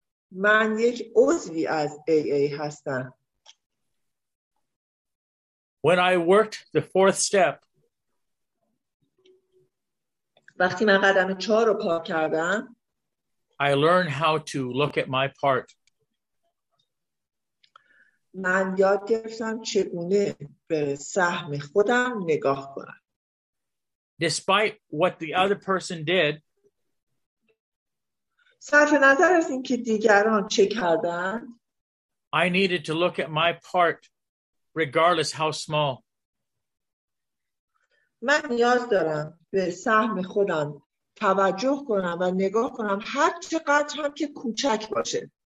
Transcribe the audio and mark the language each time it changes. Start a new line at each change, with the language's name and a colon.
Persian: من یک عضوی از AA هستم.
English: When I worked the fourth step,
Persian: وقتی من قدم چهار رو کار کردم،
English: I learned how to look at my part.
Persian: من یاد گرفتم چگونه به سهم خودم نگاه کنم.
English: Despite what the other person did,
Persian: صرف نظر از اینکه دیگران چه کردن،
English: I needed to look at my part regardless how small.
Persian: من نیاز دارم به سهم خودم توجه کنم و نگاه کنم هر چقدر هم که کوچک باشه.